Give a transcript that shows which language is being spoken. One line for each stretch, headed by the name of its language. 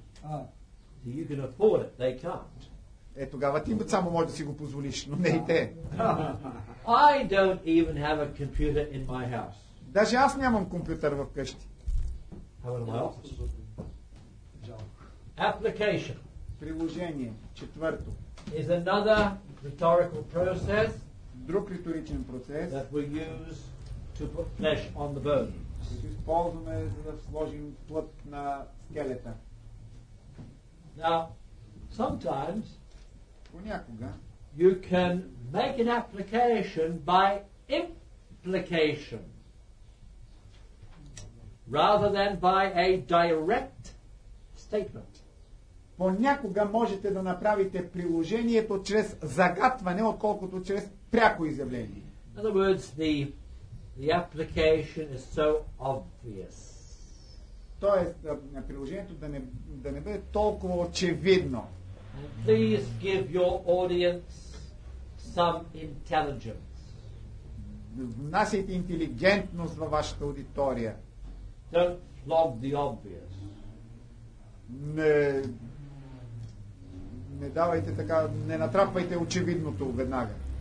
English: So you can afford it, they can't.
Bulgarian: Е, тогава ти само може да си го позволиш, но не и те.
English: I don't even have a computer in my house.
Bulgarian: Даже аз нямам компютър вкъщи.
English: How about my office? Application.
Bulgarian: Приложение, четвърто.
English: Is another rhetorical process.
Bulgarian: Друг риторичен процес.
English: That we use to put flesh on the bones.
Bulgarian: Ще използваме, за да сложим плът на скелета.
English: Now, sometimes
Bulgarian: понякога
English: you can make an application by implication rather than by a direct statement.
Bulgarian: Понякога можете да направите приложението чрез загатване, отколкото чрез пряко изявление.
English: In other words, the application is so obvious.
Bulgarian: Тоест, на приложението да не бъде толкова очевидно.
English: And please give your audience some intelligence.
Bulgarian: Внасяйте интелигентност във вашата аудитория.
English: Don't flog the obvious.
Bulgarian: Не давайте така, не натрапвайте очевидното веднага.